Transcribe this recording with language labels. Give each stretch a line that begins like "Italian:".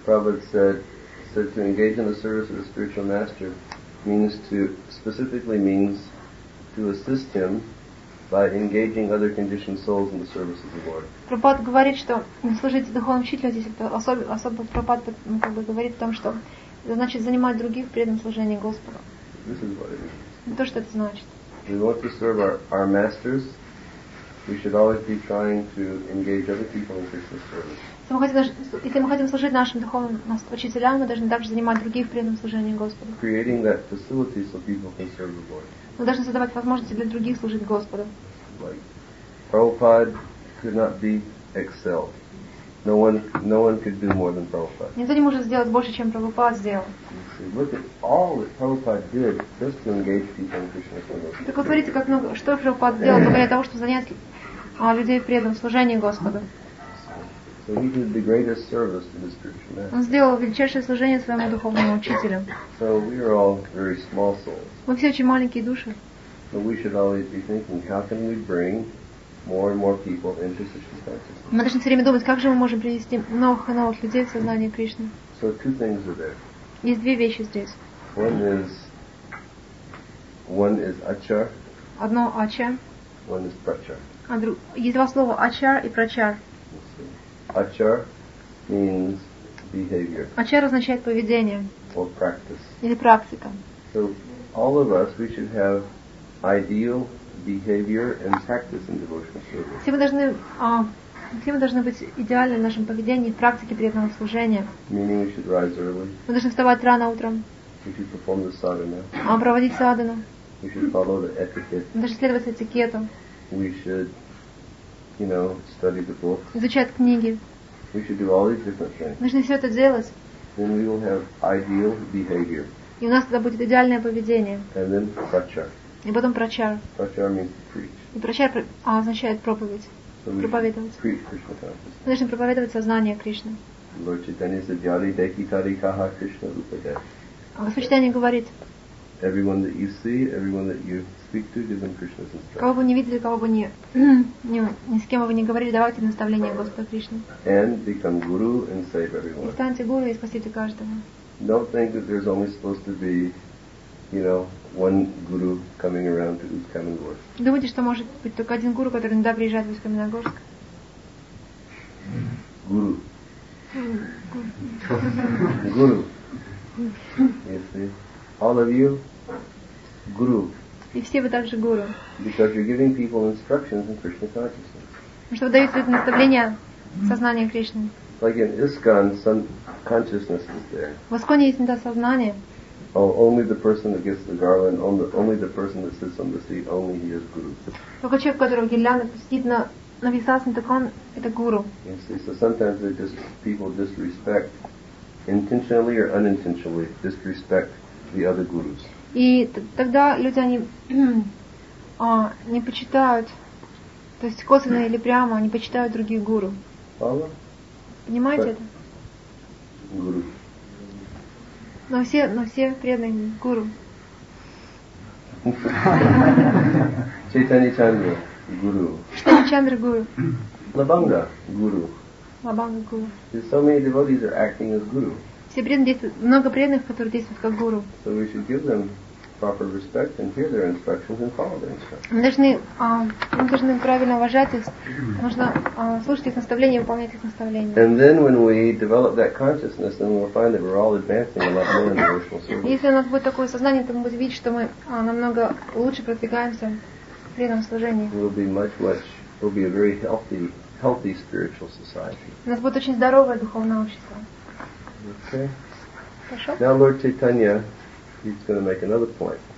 English: Prabhupada said to engage in the service of the spiritual master means to assist him by engaging other conditioned souls in the service of the Lord.
Russian: Прабхупад говорит, что служить духовному учителю здесь это особо Прабхупад как бы говорит о том, что значит занимать других в преданном служении Господу.
English: This is what it means.
Russian: То, что это значит.
English: We want to serve our masters. We should always be trying to engage other people in Krishna service.
Russian: Если мы хотим служить нашим духовным учителям, мы должны также занимать других в преданном служении Господу.
English: Creating that facility so people can serve the Lord.
Russian: Мы должны создавать возможности для других служить Господу.
English: Like, Prabhupada could not be excelled. No one could do more than Prabhupada.
Russian: Никто не может сделать больше, чем Прабхупад сделал.
English: Look at all that Prabhupada did just to engage people in Krishna service.
Russian: Так вот, смотрите, как много, что Прабхупад сделал только для того, чтобы занять людей в преданном служении Господу.
English: So he did the greatest service to the spiritual master.
Russian: Он сделал величайшее служение своему духовному учителю.
English: So we are all very small souls.
Russian: Мы все очень маленькие души.
English: So we should always be thinking, how can we bring more and more people into such consciousness?
Russian: Мы должны все время думать, как же мы можем привести новых и новых людей в сознание Кришны.
English: So two things are there.
Russian: Есть две вещи здесь.
English: One is achar.
Russian: Одно ача.
English: One is prachar.
Russian: Есть два слова achar и prachar.
English: Achar means behavior.
Russian: Achar означает поведение.
English: Or practice.
Russian: Или практика.
English: So all of us, we should have ideal behavior and practice in devotional service.
Russian: Все мы должны быть идеальны в нашем поведении, в практике преданного служения.
English: Meaning we should rise early.
Russian: Мы должны вставать рано утром.
English: We should perform the sadhana.
Russian: А проводить садхану.
English: We should follow the etiquette.
Russian: Мы должны следовать этикету.
English: We should, you know, study the books.
Russian: Изучать книги.
English: We should do all these different things.
Russian: Мы должны все это делать.
English: Then we will have ideal behavior.
Russian: И у нас тогда будет идеальное поведение.
English: And then prachar.
Russian: И потом прачар.
English: Прачар means to preach.
Russian: И прачар означает проповедь.
English: So
Russian: проповедовать.
English: Preach Krishna consciousness.
Russian: Мы должны проповедовать сознание Кришны.
English: Lord Chaitanya said,
Bangla: Yari Deki Tari Kaha Krishna Rupa Desh.
Russian: А Господь Читание говорит.
English: Everyone that you see, everyone that you speak to, give them Krishna's instruction.
Russian: Кого вы не видели, кого бы ни с кем вы не говорили, давайте наставление Господа Кришны.
English: And become guru and save everyone.
Russian: И станьте гуру и спасите каждого.
English: Don't think that there's only supposed to be, you know, one guru coming around to Uskamangorsk.
Russian: Думайте, что может быть только один гуру, который иногда приезжает в Uskamangorsk?
English: Guru. Guru. You see? All of you, guru.
Russian: И все вы также гуру.
English: Because you're giving people instructions in Krishna consciousness.
Russian: Потому что вы даете это наставление сознания Кришны.
English: Like in ISKCON, some consciousness is there.
Russian: В ISKCON есть иногда сознание.
English: Oh, only the person that gets the garland, only the person that sits on the seat, only he is guru.
Russian: Только человек, который гирлянда сидит на висасане, так он это гуру.
English: So sometimes they just people disrespect, intentionally or unintentionally, disrespect the other gurus.
Russian: И тогда люди они не почитают, то есть косвенно или прямо они почитают других гуру. Понимаете это? Гуру. Но все преданы гуру. Чайтани Чандра гуру. Чайтани Чандра гуру. Лабанга гуру. Лабанга гуру.
English: So many devotees are acting as guru.
Russian: Все преданы действуют, много преданных, которые действуют как гуру.
English: So we should give them proper respect and hear their instructions and follow their instructions.
Russian: Мы должны правильно уважать их, нужно слушать их наставления и выполнять их наставления.
English: And then when we develop that consciousness, then we'll find that we're all advancing a lot more in devotional service.
Russian: Если у нас будет такое сознание, то мы будем видеть, что мы намного лучше продвигаемся в преданном служении.
English: We'll be a very healthy spiritual society.
Russian: У нас будет очень здоровое духовное общество.
English: Okay. Now Lord Chaitanya, he's going to make another point.